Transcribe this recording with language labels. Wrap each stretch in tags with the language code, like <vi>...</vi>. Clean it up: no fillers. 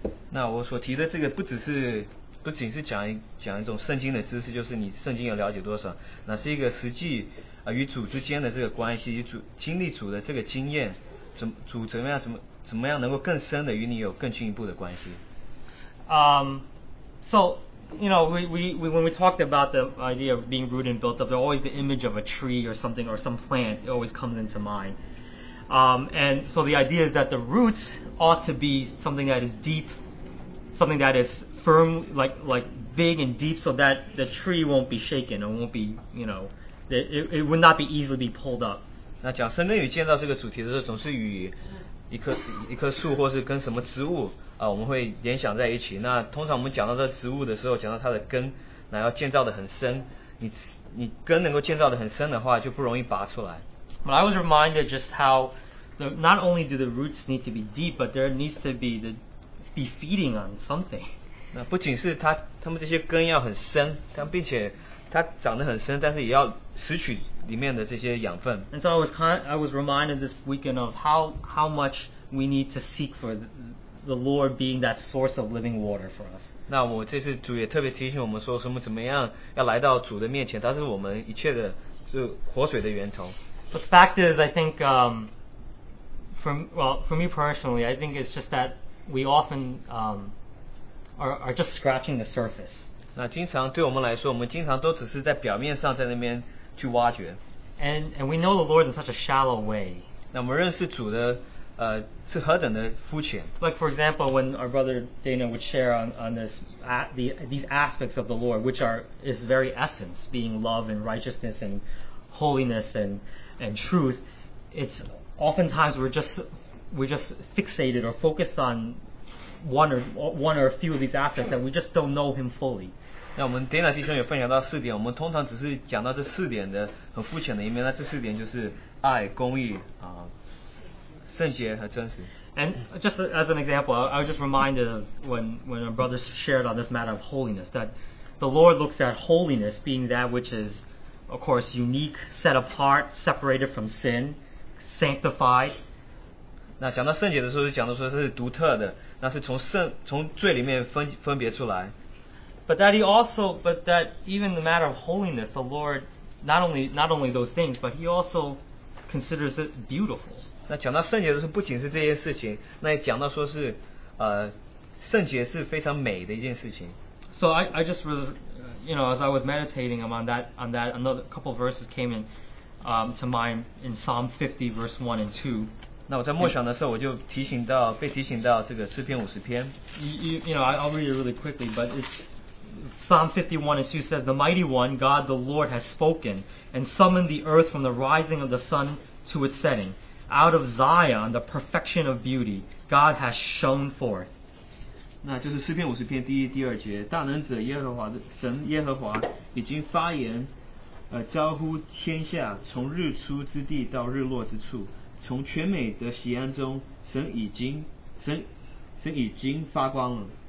<zh>那我所提的这个不仅是讲一种圣经的知识，就是你圣经有了解多少，那是一个实际与主之间的这个关系，与主经历主的这个经验，怎么样能够更深的与你有更进一步的关系。</zh> <en>So. You know, we when we talked about the idea of being rooted and built up, there's always the image of a tree or something or some plant. It always comes into mind. And so the idea is that the roots ought to be something that is deep, something that is firm, like big and deep, so that the tree won't be shaken and won't be, you know, it would not be easily be pulled up.</en> <zh>那讲神根与建造这个主题的时候，总是与一棵树或是跟什么植物啊，我们会联想在一起。那通常我们讲到这植物的时候，讲到它的根，那要建造的很深。你根能够建造的很深的话，就不容易拔出来。</zh> <en>But I was reminded just how not only do the roots need to be deep, but there needs to be be feeding on something.</en> <zh>那不仅是他们这些根要很深，但并且它长得很深，但是也要拾取里面的这些养分。</zh> <en>And so I was reminded this weekend of how much we need to seek for the Lord being that source of living water for us.</en> <zh>那我这次主也特别提醒我们说，什么怎么样要来到主的面前，它是我们一切的是活水的源头。</zh> <en>But the fact is, I think for me personally, I think it's just that we often are just scratching the surface.</en> <zh>那经常对我们来说，我们经常都只是在表面上在那边去挖掘。</zh> <en>And we know the Lord in such a shallow way.</en> <zh>那我们认识主的是何等的肤浅。</zh> <en>Like for example, when our brother Dana would share on this these aspects of the Lord, which are his very essence, being love and righteousness and holiness and truth, it's oftentimes we're just fixated or focused on one or a few of these aspects that we just don't know him fully.</en> <zh>那我们 Dana 弟兄也分享到四点，我们通常只是讲到这四点的很肤浅的一面。那这四点就是爱、公义啊、圣洁和真实。</zh> <en>And just as an example, I was just reminded of when our brothers shared on this matter of holiness, that the Lord looks at holiness being that which is, of course, unique, set apart, separated from sin, sanctified.</en> <zh>那讲到圣洁的时候，讲到说是独特的，那是从罪里面分别出来。</zh> <en>But that even the matter of holiness, the Lord not only those things, but he also considers it beautiful.</en> <zh>那讲到圣洁的时候，不仅是这些事情，那也讲到说是圣洁是非常美的一件事情。</zh> <en>So I just really, you know, as I was meditating on that, another couple of verses came in to mind in Psalm 50, verse 1 and 2.</en> <zh>那我在默想的时候，我就被提醒到这个诗篇五十篇。</zh> <en>I'll read it really quickly, but it's Psalm 51 and 2 says, "The mighty one, God the Lord, has spoken and summoned the earth from the rising of the sun to its setting. Out of Zion, the perfection of beauty, God has shone forth."</en> <zh>那就是诗篇五十篇第一、第二节，大能者耶和华的神耶和华已经发言，招呼天下，从日出之地到日落之处。从全美的喜安中，神已经发光了。</zh>